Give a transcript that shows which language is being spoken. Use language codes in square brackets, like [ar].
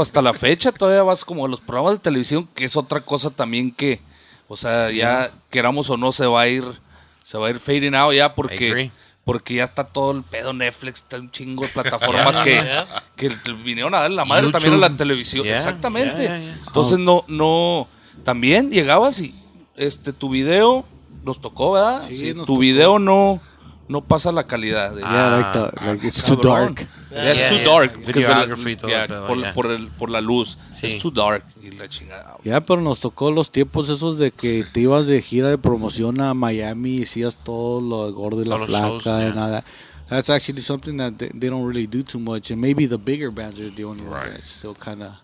[es] Hasta la fecha todavía vas como a los programas de televisión, que es otra cosa también que, o sea, ya queramos o no, se va a ir [en] fading out [es] ya porque ya está todo el pedo Netflix, está un chingo de plataformas que vinieron a dar la madre YouTube. También a la televisión. Yeah, exactamente. Yeah. Entonces no, también llegabas y tu video nos tocó, ¿verdad? Sí, sí, tu tocó. Video no pasa la calidad. [en] De, yeah, like the, like it's cabrón. Too dark. Yeah, it's too dark. [es] Videography todo el pedo. Por la luz. Sí. [en] It's too dark. [es] Y la chingada. Ya, pero nos tocó los tiempos esos de que te ibas de gira de promoción a Miami y hacías todo lo gordo y la flaca. Shows, nada. [en] That's actually something that they don't really do too much. And maybe the bigger bands are the only ones that still kind of...